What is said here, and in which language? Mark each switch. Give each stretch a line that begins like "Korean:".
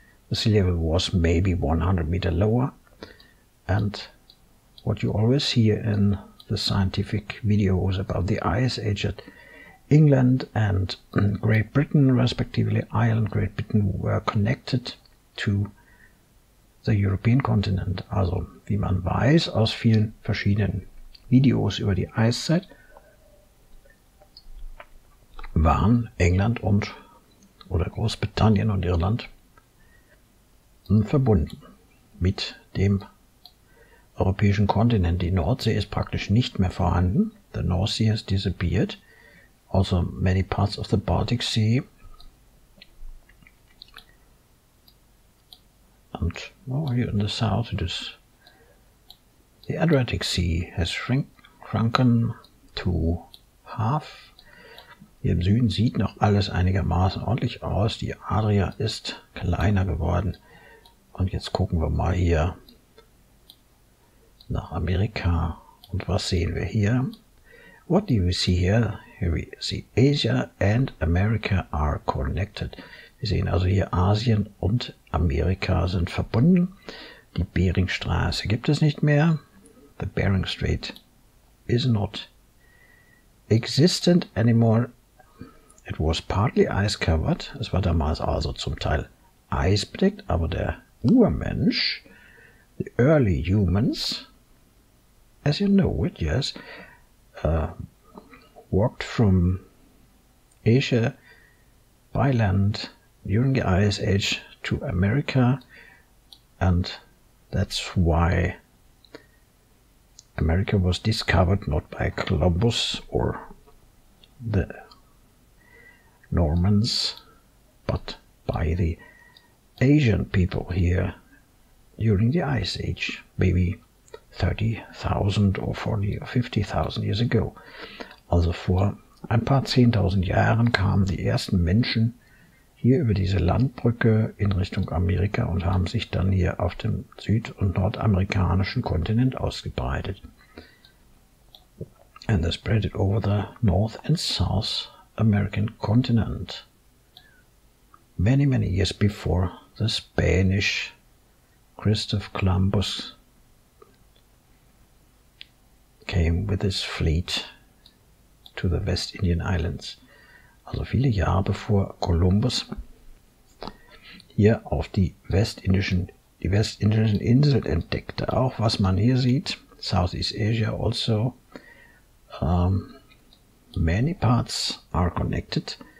English: The sea level was maybe 100 meter lower. And what you always hear in the scientific videos about the ice age at England and Great Britain, respectively, Ireland, Great Britain, were connected to the European continent.
German: Also, wie man weiß aus vielen verschiedenen Videos über die Eiszeit, waren England und oder Großbritannien und Irland verbunden mit dem europäischen Kontinent. Die Nordsee ist praktisch nicht mehr vorhanden.
English: The North Sea has disappeared. Also many parts of the Baltic Sea. And over here in the south it is the Adriatic Sea has shrunken to half.
German: Hier im Süden sieht noch alles einigermaßen ordentlich aus. Die Adria ist kleiner geworden. Und jetzt gucken wir mal hier nach Amerika. Und was sehen wir hier?
English: What do we see here? Here we see Asia and America are connected.
German: Wir sehen also hier Asien und Amerika sind verbunden. Die Beringstraße gibt es nicht mehr.
English: The Bering Strait is not existent anymore. It was partly ice covered.
German: Es war damals also zum Teil eisbedeckt, aber der Urmensch,
English: the early humans, as you know it, yes, walked from Asia by land during the Ice Age to America, and that's why America was discovered not by Columbus or the Normans, but by the Asian people here during the Ice Age, maybe 30,000 or 40 or 50,000 years ago.
German: Also vor ein paar 10.000 Jahren kamen die ersten Menschen hier über diese Landbrücke in Richtung Amerika und haben sich dann hier auf dem süd- und nordamerikanischen Kontinent ausgebreitet.
English: And they spread it over the North and South American continent. Many, many years before the Spanish Christopher Columbus came with his fleet to the West Indian Islands.
German: Also viele Jahre bevor Columbus hier auf die westindischen Inseln entdeckte. Auch was man hier sieht,
English: Southeast Asia also, many parts are connected.